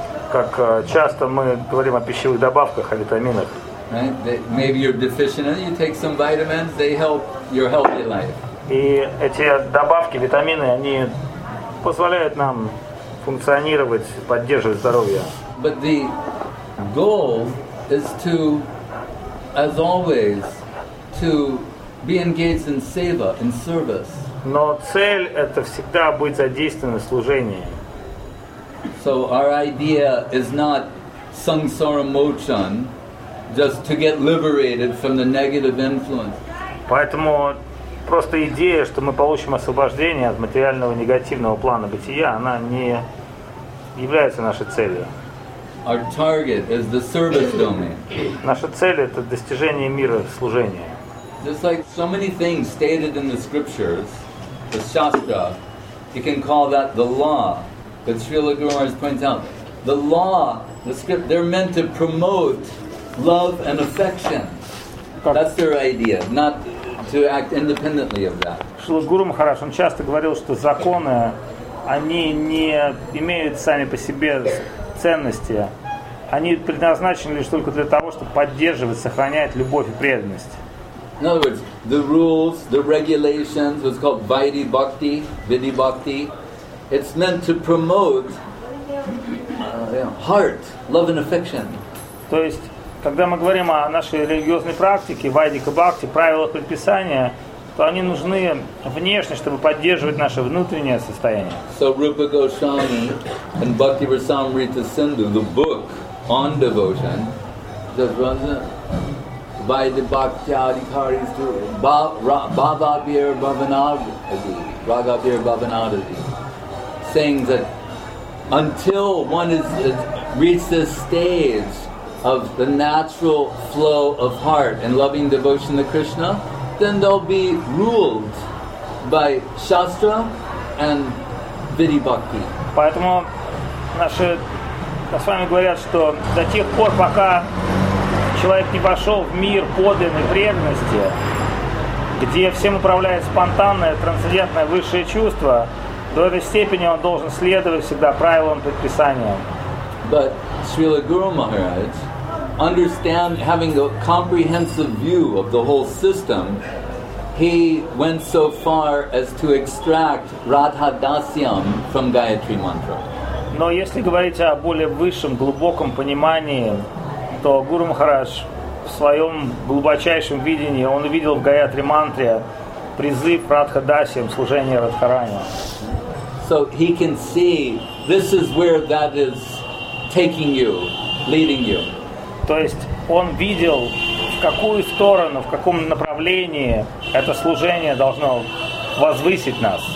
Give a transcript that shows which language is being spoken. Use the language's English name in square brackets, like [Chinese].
[Russian] Как часто мы говорим о пищевых добавках, о витаминах. [English] Right? Maybe you're deficient and you take some vitamins, they help your healthy life. [Russian] И эти добавки, витамины, они позволяют нам функционировать, поддерживать здоровье. [English] But the goal is to, as always, to be engaged in seva, in service. [Russian] Но цель — это всегда быть задействованным в служении. [English] So our idea is not samsara mochan, just to get liberated from the negative influence. [Russian] Поэтому просто идея, что мы получим освобождение от материального негативного плана бытия, она не является нашей целью. [English] Our target is the service domain. [Russian] Наша цель — это достижение мира служения. [English] Just like so many things stated in the scriptures, the shastra, you can call that the law. But Srila Guru Maharaj points out, the law, the script, they're meant to promote love and affection. That's their idea, not to act independently of that. [Russian] Srila Guru Maharaj, он часто говорил, что законы, они не имеют сами по себе ценности. Они предназначены лишь только для того, чтобы поддерживать, сохранять любовь и преданность. [English] In other words, the rules, the regulations, what's called vidhi bhakti, vidhi bhakti, it's meant to promote heart, love and affection. [Russian] То есть, когда мы говорим о нашей религиозной практике, вайдика бхакти, правилах предписания, то они нужны внешне, чтобы поддерживать наше внутреннее состояние. [English] So Rupa Goswami and Bhakti Rasamrita Sindhu, the book on devotion, just runs it. [Sanskrit] Vaidhi bhakti adhikari stu bhavabhir bhavanadhi ragabhir bhavanadhi, [English] saying that until one has reached this stage of the natural flow of heart and loving devotion to Krishna, then they'll be ruled by shastra and vidhi bhakti. [Russian] Поэтому наши с вами говорят, что до тех пор, пока человек не вошел в мир подлинной преданности, где всем управляет спонтанное, трансцендентное высшее чувство, до этой степени он должен следовать всегда правилам, предписаниям. [English] But Srila Guru Maharaj, understand, having a comprehensive view of the whole system, he went so far as to extract Radha Dasyam from Gayatri Mantra. [Russian] Но если говорить о более высшем, глубоком понимании, то Гуру Махарадж в своем глубочайшем видении он увидел в Гаятри Мантре призыв Радха Дасиям, служение Радхарани. [English] So he can see this is where that is taking you, leading you. [Russian] То есть он видел, в какую сторону, в каком направлении это служение должно возвысить нас.